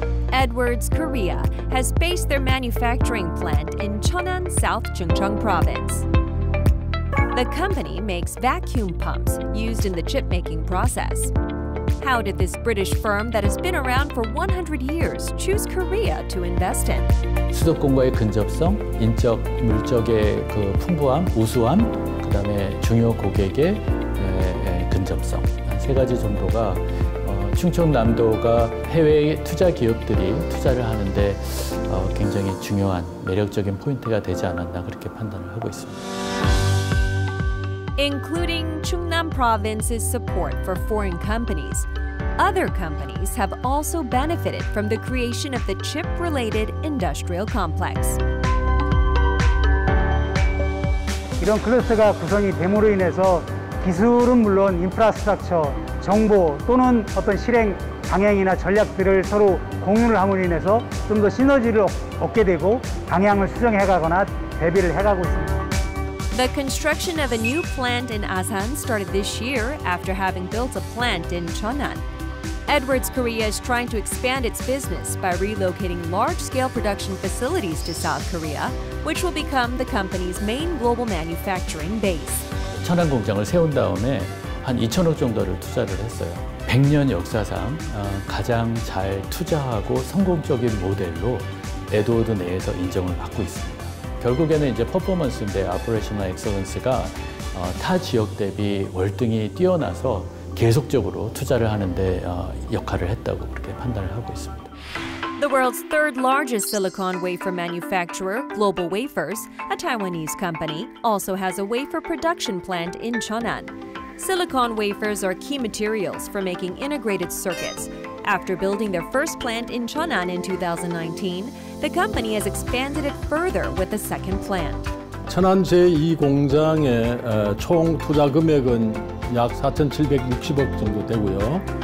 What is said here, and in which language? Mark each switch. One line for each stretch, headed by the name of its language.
English: Edwards Korea has based their manufacturing plant in Cheonan, South Chungcheong Province. The company makes vacuum pumps used in the chip-making process. How did this British firm that has been around for 100 years choose Korea to invest in?
Korean: 수도권과의 근접성, 인적 물적의 그 풍부함, 우수함, 그다음에 중요 고객의 근접성. 세 가지 정도가 충청남도가 해외 투자 기업들이 투자를 하는데 굉장히 중요한 매력적인 포인트가 되지 않았나 그렇게 판단을 하고 있습니다.
English: Including Chungnam Province's support for foreign companies, other companies have also benefited from the creation of the chip-related industrial complex.
Korean: 이런 클러스터가 구성이 됨으로 인해서 기술은 물론 인프라스트럭처, 정보 또는 어떤 실행 방향이나 전략들을 서로 공유를 함으로 인해서 좀 더 시너지를 얻게 되고 방향을 수정해가거나 대비를 해가고 있습니다.
English: The construction of a new plant in Asan started this year after having built a plant in Cheonan. Edwards Korea is trying to expand its business by relocating large-scale production facilities to South Korea, which will become the company's main global manufacturing base.
Korean: 천안 공장을 세운 다음에 한 2천억 정도를 투자를 했어요. 100년 역사상 가장 잘 투자하고 성공적인 모델로 에드워드 내에서 인정을 받고 있습니다. 결국에는 이제 퍼포먼스인데 오퍼레이션 엑셀런스가 타 지역 대비 월등히 뛰어나서 계속적으로 투자를 하는데 역할을 했다고 그렇게 판단을 하고 있습니다.
English: The world's third largest silicon wafer manufacturer, Global Wafers, a Taiwanese company, also has a wafer production plant in Cheonan. Silicon wafers are key materials for making integrated circuits. After building their first plant in Cheonan in 2019, the company has expanded it further with a second plant.
Korean: 천안 제2공장의 총 투자 금액은 약 4,760억 정도 되고요.